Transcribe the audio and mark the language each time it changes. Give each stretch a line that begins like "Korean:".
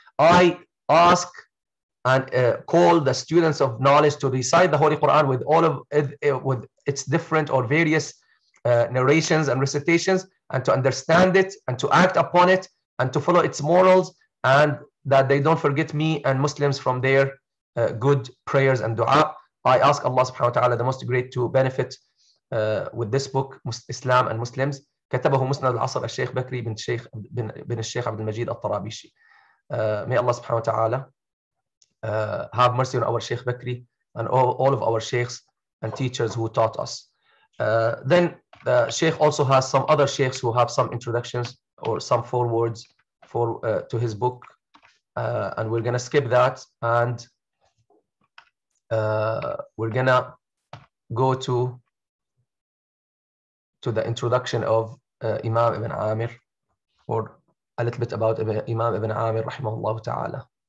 English: I ask and call the students of knowledge to recite the Holy Quran with all of it, with its different or various narrations and recitations, and to understand it and to act upon it and to follow its morals, and that they don't forget me and Muslims from their good prayers and dua. I ask Allah subhanahu wa ta'ala, the Most Great, to benefit with this book, Islam and Muslims.
Arabic: كتبه مسند العصر الشيخ بكري بن الشيخ بن الشيخ عبد المجيد الطرابيشي.
English: May Allah subhanahu wa ta'ala have mercy on our Sheikh Bakri and all of our sheikhs and teachers who taught us. Then the Sheikh also has some other sheikhs who have some introductions or some forewords for to his book, and we're gonna skip that, and we're gonna go to the introduction of Imam Ibn Amir, or a little bit about Imam Ibn Amir, rahimahullah ta'ala.